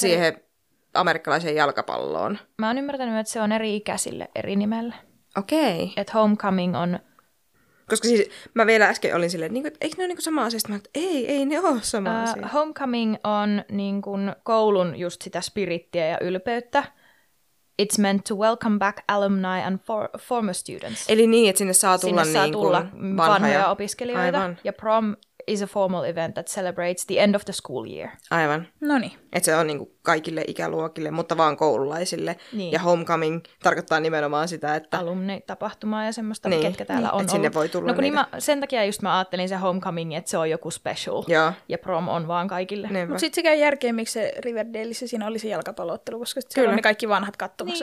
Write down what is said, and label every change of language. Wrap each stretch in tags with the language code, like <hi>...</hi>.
<fi>siihen amerikkalaiseen jalkapalloon? Mä oon ymmärtänyt, että se on eri ikäisille eri nimellä. Okei. Okay. Että homecoming on... Koska siis mä vielä äsken olin silleen, että eikö ne ole sama asia? Mä olin, että ei ne ole sama asia. Homecoming on niin kuin koulun just sitä spirittiä ja ylpeyttä.</fi> <en>It's meant to welcome back alumni and former students.</en> <fi>Eli niin, että sinne saa tulla, sinne saa niin tulla vanhoja opiskelijoita. Aivan.</fi> <en>Ja prom is a formal event that celebrates the end of the school year.</en> <fi>Aivan. Noniin. Että se on niin kuin kaikille ikäluokille, mutta vaan koululaisille. Niin. Ja homecoming tarkoittaa nimenomaan sitä, että... Alumni-tapahtumaa ja semmoista, niin, ketkä täällä niin on ollut. Sinne voi tulla no, kun niin mä, sen takia just mä ajattelin se homecoming, että se on joku special. Joo. Ja prom on vaan kaikille. Mutta sitten se käy järkeen, miksi se Riverdaleissa siinä oli se jalkapalloottelu, koska siellä kyllä on ne kaikki vanhat kattomassa</fi>